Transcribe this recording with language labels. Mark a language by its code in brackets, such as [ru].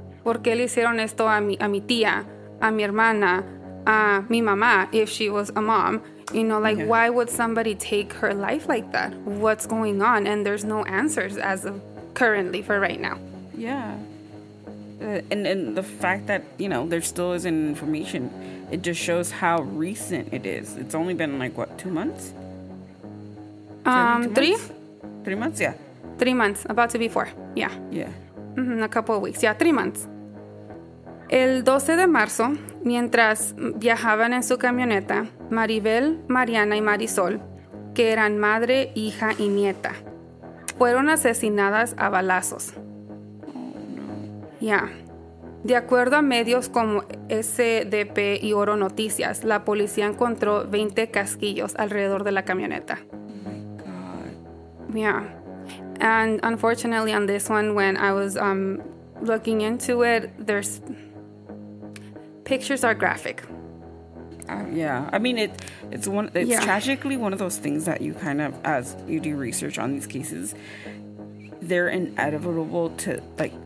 [es] ¿Por qué le hicieron esto a mi tía, a mi hermana, a mi mamá, [en] if she was a mom? You know, like, yeah. Why would somebody take her life like that? What's going on? And there's no answers as of currently for right now. Yeah. And the fact that, you know, there still isn't information, it just shows how recent it is. It's only been, like, what, 2 months? 3? 3 months, yeah. 3 months, about to be 4, yeah. Yeah. Mm-hmm, a couple of weeks. Yeah, 3 months. [es] El 12 de marzo, mientras viajaban en su camioneta, Maribel, Mariana y Marisol, que eran madre, hija y nieta, fueron asesinadas a balazos. [en] Yeah. [es] De acuerdo a medios como SDP y Oro Noticias, la policía encontró 20 casquillos alrededor de la camioneta. [en] Oh, my God. Yeah. And unfortunately, on this one, when I was looking into it, there's pictures are graphic. It's tragically one of those things that you kind of, as you do research on these cases, they're inevitable to, like,